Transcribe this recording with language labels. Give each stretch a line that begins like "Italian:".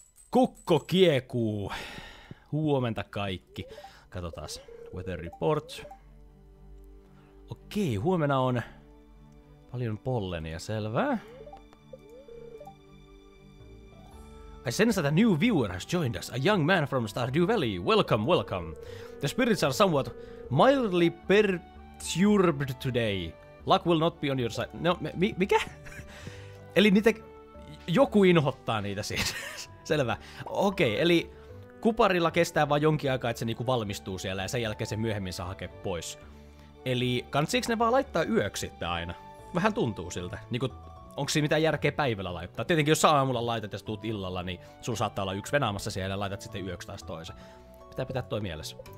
Finnish: Kukko kiekuu. Huomenta kaikki. Katsotaas.
English: Weather report.
Finnish: Okei, huomenna on paljon pollenia, selvää.
English: I sense that a new viewer has joined us. A young man from Stardew Valley. Welcome. The spirits are somewhat mildly perturbed today. Luck will not be on your side.
Finnish: No, mikä? Eli niitä... Joku inhottaa niitä siis. Selvä. Okei, eli kuparilla kestää vaan jonkin aikaa, että se niinku valmistuu siellä ja sen jälkeen se myöhemmin saa hakea pois. Eli kansiiks ne vaan laittaa yöksi sitten aina? Vähän tuntuu siltä. Niinku, onks siinä mitään järkeä päivällä laittaa? Tietenkin jos aamulla laitat ja sä tuut illalla, niin sulla saattaa olla yksi venaamassa siellä ja laitat sitten yöksi taas toisen. Pitää toi mielessä.